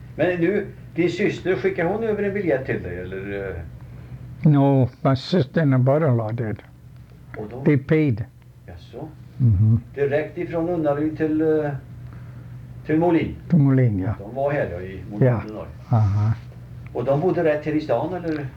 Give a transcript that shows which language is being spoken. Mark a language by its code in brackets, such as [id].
[sv] Men nu, din syster, skickar hon över en biljett till dig eller? [en] No, my sister and brother-in-law did. [sv] Och då? [en] They paid. [sv] Jaså? Mm-hmm. Direkt ifrån Unnaryd till Molin? Till Molin, ja. De var här då, i Molin. Ja, aha. Och de bodde rätt här i stan eller?